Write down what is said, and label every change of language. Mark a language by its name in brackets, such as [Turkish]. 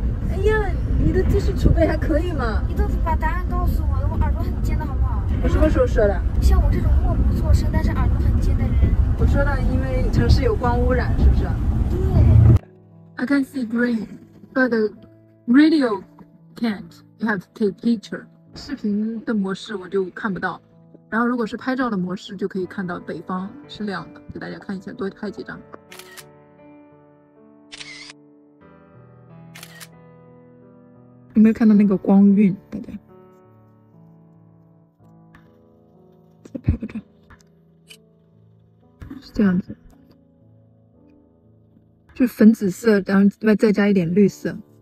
[Chinese] 哎呀，你的知识储备还可以吗？你都把答案告诉我了，我耳朵很尖的好不好？我什么时候说的？像我这种默不作声但是耳朵很尖的人。我说了，因为城市有光污染，是不是？对。 [English] I can see green, but the radio can't. You have to take picture. [Chinese] 视频的模式我就看不到，然后如果是拍照的模式就可以看到北方是亮的，给大家看一下，多拍几张。有没有看到那个光晕？大家再拍个照，是这样子，就是粉紫色，然后再加一点绿色。